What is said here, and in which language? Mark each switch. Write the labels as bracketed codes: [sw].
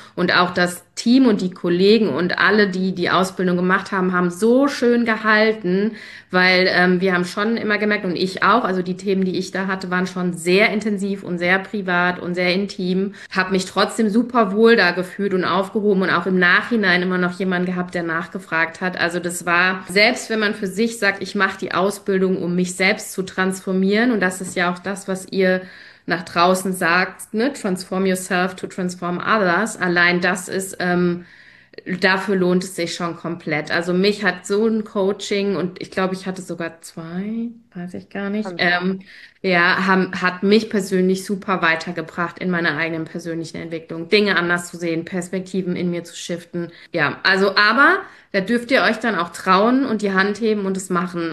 [de] Und auch das Team und die Kollegen und alle, die die Ausbildung gemacht haben, haben so schön gehalten, weil wir haben schon immer gemerkt, und ich auch, also die Themen, die ich da hatte, waren schon sehr intensiv und sehr privat und sehr intim. Habe mich trotzdem super wohl da gefühlt und aufgehoben und auch im Nachhinein immer noch jemanden gehabt, der nachgefragt hat. Also das war, selbst wenn man für sich sagt, ich mache die Ausbildung, um mich selbst zu transformieren, und das ist ja auch das, was ihr nach draußen sagt, ne? [en] Transform yourself to transform others. [de] Allein das ist, dafür lohnt es sich schon komplett. Also mich hat so ein Coaching, und ich glaube, ich hatte sogar zwei, weiß ich gar nicht, Kann sein. ja, hat mich persönlich super weitergebracht in meiner eigenen persönlichen Entwicklung. Dinge anders zu sehen, Perspektiven in mir zu shiften. Ja, also, aber da dürft ihr euch dann auch trauen und die Hand heben und es machen.